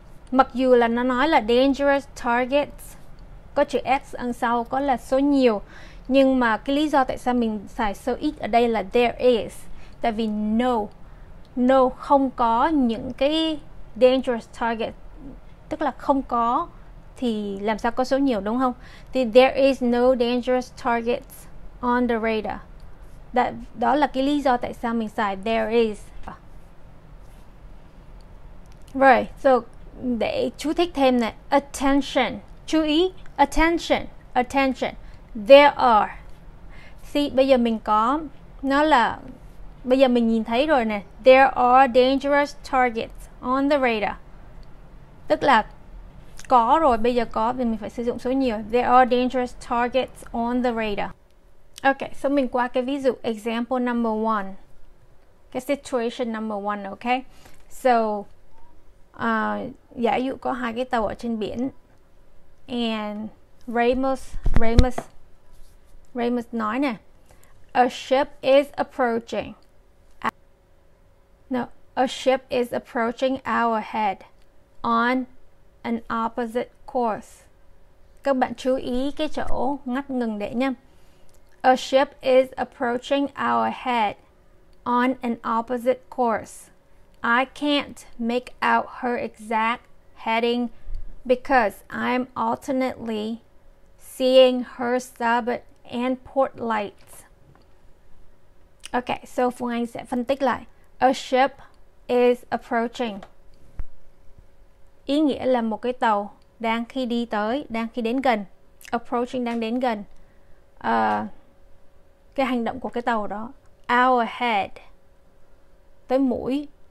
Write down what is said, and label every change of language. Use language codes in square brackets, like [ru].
[vi] Mặc dù là nó nói là dangerous targets, có chữ S ăn sau, có là số nhiều, nhưng mà cái lý do tại sao mình xài số ít ở đây là [en] there is, [vi] tại vì no, không có những cái dangerous targets. Tức là không có thì làm sao có số nhiều đúng không? [en] Thì there is no dangerous targets on the radar. [vi] Đó là cái lý do tại sao mình xài there is. [en] Right, so [vi] để chú thích thêm này. [en] Attention, [vi] chú ý. [en] Attention. There are. [vi] See, bây giờ mình có. Nó là, bây giờ mình nhìn thấy rồi nè. [en] There are dangerous targets on the radar. [vi] Tức là có rồi, bây giờ có thì mình phải sử dụng số nhiều. [en] There are dangerous targets on the radar. Okay, so [vi] mình qua cái ví dụ, [en] example number one. Cái situation number one, okay? So, [vi] Giả dụ có hai cái tàu ở trên biển. And Ramos nói nè. [en] A ship is approaching. No, a ship is approaching our head on an opposite course. [vi] Các bạn chú ý cái chỗ ngắt ngừng để nhé. [en] A ship is approaching our head on an opposite course. I can't make out her exact heading because I'm alternately seeing her starboard and port lights. Okay, so [vi] Phương Anh sẽ phân tích lại. [en] A ship is approaching. [vi] Ý nghĩa là một cái tàu đang khi đi tới, đang khi đến gần. Approaching đang đến gần. Cái hành động của cái tàu đó. [en] Our head. [vi] Tới mũi.